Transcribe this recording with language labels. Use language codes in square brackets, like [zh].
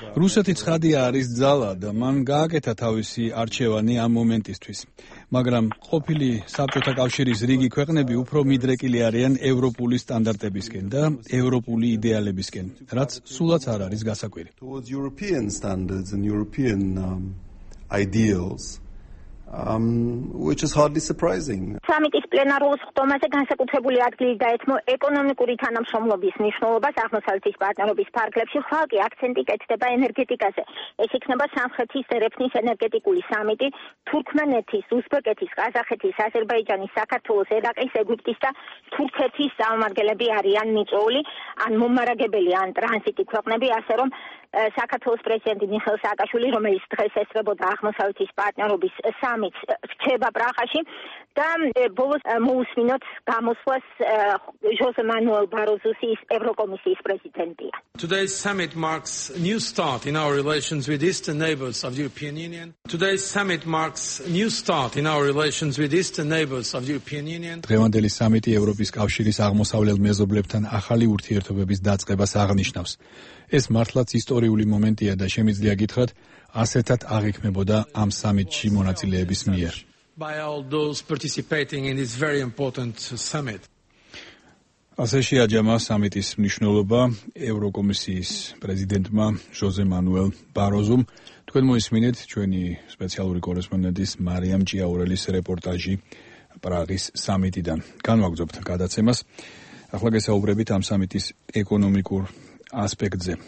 [ka] რუსეთი ცხადია არის ძალა და მან გააკეთა თავისი არჩევანი ამ მომენტისთვის. მაგრამ ყოფილი საბჭოთა კავშირის რიგი ქვეყნები უფრო მიდრეკილი არიან ევროპული სტანდარტებისკენ და ევროპული იდეალებისკენ, რაც სულაც არ არის გასაკვირი. [en] Towards European standards and European ideals. Which is hardly surprising. [ka] Summit-ის პლენარულ სხდომაზე განსაკუთრებული ადგილი დაეთმო ეკონომიკური თანამშრომლობის მნიშვნელობას აღმოსავლეთის პარტნიორობის ფარგლებში, ხოლო კი აქცენტი კეთდება ენერგეტიკაზე. ეს იქნება სამხრეთის ერევნის ენერგეტიკული სამიტი, თურქმენეთის, უზბეკეთის, ყაზახეთის, აზერბაიჯანის, საქართველოს, ერაყის, ეგვიპტის და თურქეთის წარმომადგენლები არიან მიწვეული, ან მომარაგებელი, ან ტრანზიტი ქვეყნები, ასე რომ საქართველოს პრეზიდენტი მიხეილ სააკაშვილი, რომელიც დღეს ესწრებოდა აღმოსავლეთის პარტნიორობის summit რჩება პრაღაში და ბოლოს მოუსმინოთ გამოსვლას ჟოზე მანუელ ბაროზოს, ის ევროკომისიის პრეზიდენტია. [en] Today's summit marks a new start in our relations with eastern neighbors of the European Union. Today's summit marks a new start in our relations with eastern neighbors of the European Union. [ka] დღევანდელი სამიტი ევროპის კავშირის აღმოსავლელ მეზობლებთან ახალი ურთიერთობების დაწყებას აღნიშნავს. ეს მართლაც ისტორიული მომენტია და შემიძლია გითხრათ, ასეთად აღიქმებოდა ამ სამიტში მონაწილეების მიერ. [en] By all those participating in this very important summit. [ka] ასე შეაჯამა სამიტის მნიშვნელობა ევროკომისიის პრეზიდენტმა ჟოზე მანუელ ბაროზომ. თქვენ მოისმინეთ ჩვენი სპეციალური კორესპონდენტის მარიამ ჭიაურელის რეპორტაჟი პრაღის სამიტიდან. განვაგრძობთ გადაცემას. ახლა გესაუბრებით ამ სამიტის ეკონომიკურ ასპექტზე.